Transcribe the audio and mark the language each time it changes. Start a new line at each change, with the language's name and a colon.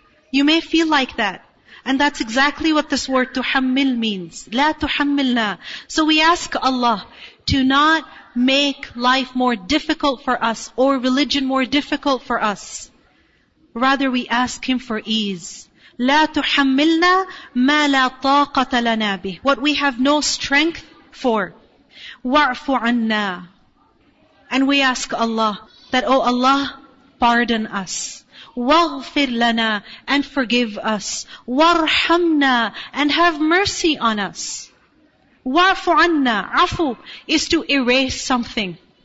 English: You may feel like that. And that's exactly what this word تُحَمِّل means.
Arabic: لَا تُحَمِّلْنَا.
English: So we ask Allah to not make life more difficult for us or religion more difficult for us. Rather, we ask Him for ease.
Arabic: لَا تُحَمِّلْنَا مَا لَا طَاقَةَ لَنَا بِهِ,
English: what we have no strength for.
Arabic: وَعْفُ عَنَّا.
English: And we ask Allah that, O Allah, pardon us.
Arabic: وَغْفِرْ لَنَا
English: and forgive us.
Arabic: وَارْحَمْنَا
English: and have mercy on us.
Arabic: وَعْفُ عَنَّا عَفُو
English: is to erase something.